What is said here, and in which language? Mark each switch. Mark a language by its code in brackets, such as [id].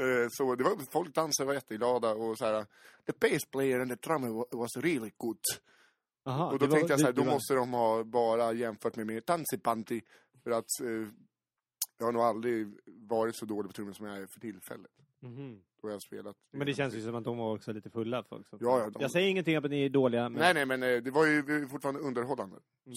[sv] Så det var, folk dansade och var jätteglada. Och så här, [en] the bass player and the drummer was really good. [sv] Aha, och då tänkte jag så här, då måste de ha bara jämfört med mer dansipanti. För att... jag har nog aldrig varit så dålig på trummen som jag är för tillfället. Mm-hmm. Då har jag spelat. Men det känns ju som att de var också lite fulla folk. Ja, de... Jag säger ingenting om att ni är dåliga. Men... Nej, men det var ju fortfarande underhållande. Mm.